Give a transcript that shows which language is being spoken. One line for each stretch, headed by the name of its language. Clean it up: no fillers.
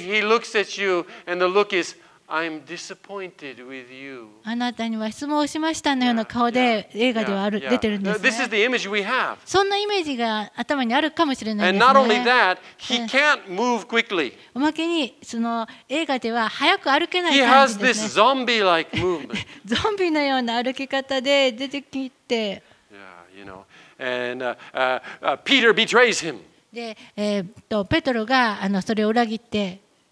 English: He looks at you and the look is I'm disappointed with you.
Japanese: あなたには失望しましたのような顔で映画ではある出てるんですね。
English: This is the image we have.
Japanese: そんなイメージが頭にあるかもしれないですね。
English: And not only that, he can't move quickly.
Japanese: おまけにその映画では速く歩けない感じですね。
English: He has this zombie-like movement.
Japanese: ゾンビのような歩き方で出てきて。
English: Yeah, you know. And Peter betrays him.
Japanese: で、ペトロがそれを裏切って。